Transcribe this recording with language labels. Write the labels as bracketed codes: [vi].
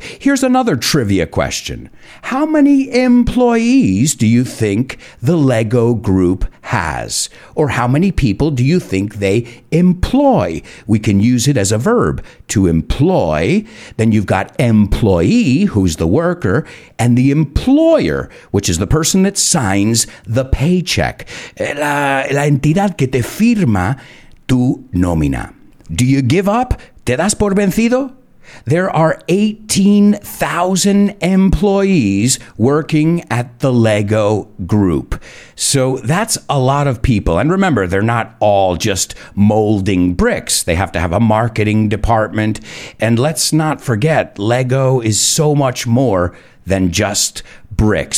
[en] Here's another trivia question. How many employees do you think the Lego group has? Or how many people do you think they employ? We can use it as a verb, to employ. Then you've got employee, who's the worker, and the employer, which is the person that signs the paycheck. [es] La entidad que te firma tu nómina. [en] Do you give up? [es] ¿Te das por vencido? [en] There are 18,000 employees working at the Lego Group. So that's a lot of people. And remember, they're not all just molding bricks. They have to have a marketing department. And let's not forget, Lego is so much more than just bricks.